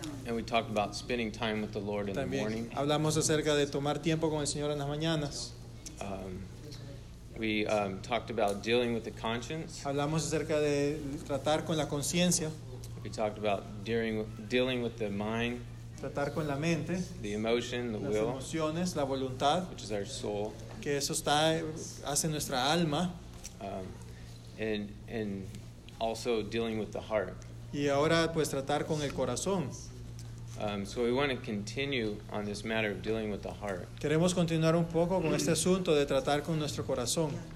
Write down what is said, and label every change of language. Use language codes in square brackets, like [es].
[en] And we talked about spending time with the Lord in [es] también [en] the morning. [es] Hablamos acerca de tomar tiempo con el Señor en las mañanas. [en] We talked about dealing with the conscience. [es] Hablamos acerca de tratar con la conciencia. [en] We talked about dealing with the mind. [es] Tratar con la mente. [en] The emotion, the [es] las [en] will. [es] Las emociones, la voluntad. [en] Which is our soul. [es] Que eso está hace nuestra alma. [en] And also dealing with the heart. [es] Y ahora pues tratar con el corazón. [en] So we want to continue on this matter of dealing with the heart. [es] Queremos continuar un poco con este asunto de tratar con nuestro corazón.